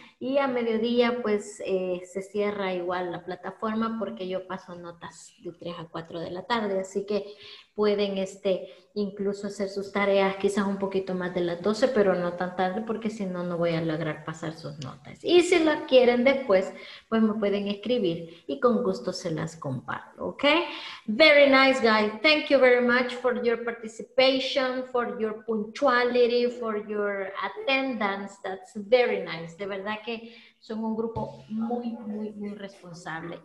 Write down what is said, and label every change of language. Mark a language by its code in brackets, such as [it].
[es] Y a mediodía, pues, se cierra igual la plataforma porque yo paso notas de 3 a 4 de la tarde. Así que pueden incluso hacer sus tareas quizás un poquito más de las 12, pero no tan tarde porque si no, no voy a lograr pasar sus notas. Y si las quieren después, pues me pueden escribir y con gusto se las comparto, ¿ok? [en] Very nice, guys. Thank you very much for your participation, for your punctuality, for your attendance. That's very nice. [es] De verdad que son un grupo muy, muy, muy responsable.